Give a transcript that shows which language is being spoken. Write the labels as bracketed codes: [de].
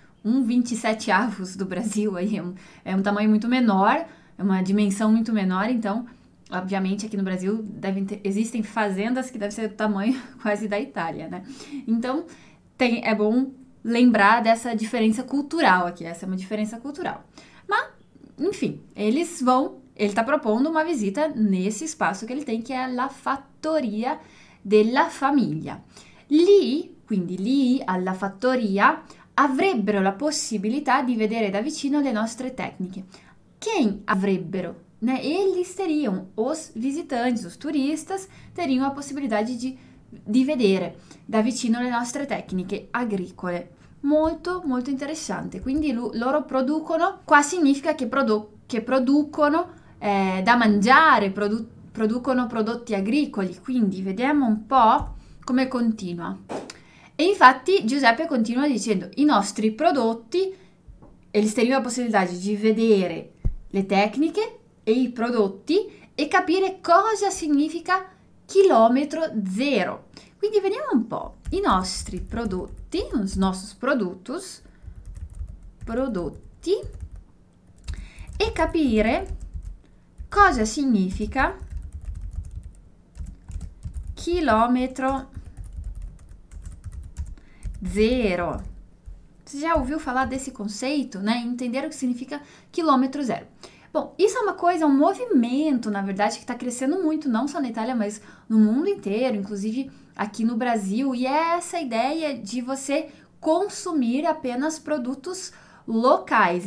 [pt] 1/27 avos do Brasil, aí é um tamanho muito menor, é uma dimensão muito menor, então, obviamente, aqui no Brasil existem fazendas que devem ser do tamanho quase da Itália, né? Então, é bom lembrar dessa diferença cultural aqui, essa é uma diferença cultural. Mas, enfim, ele está propondo uma visita nesse espaço que ele tem, que é [it] la fattoria della famiglia. Lì, alla fattoria, avrebbero la possibilità di vedere da vicino le nostre tecniche. [pt] Quem avrebbero? Né? Eles teriam, os visitantes, os turistas, teriam a possibilidade [it] di vedere da vicino le nostre tecniche agricole. Molto, molto interessante. Quindi loro producono, qua significa che producono da mangiare, producono prodotti agricoli. Quindi vediamo un po' come continua. E infatti Giuseppe continua dicendo, i nostri prodotti, [pt] eles teriam [it] la possibilità di vedere le tecniche e i prodotti e capire cosa significa chilometro zero. Quindi vediamo un po', i nostri prodotti, [pt] os nossos produtos, [it] prodotti, e capire cosa significa chilometro zero. [pt] Você já ouviu falar desse conceito, né? Entenderam o que significa quilômetro zero. Bom, isso é uma coisa, um movimento, na verdade, que está crescendo muito, não só na Itália, mas no mundo inteiro, inclusive aqui no Brasil, e é essa ideia de você consumir apenas produtos locais.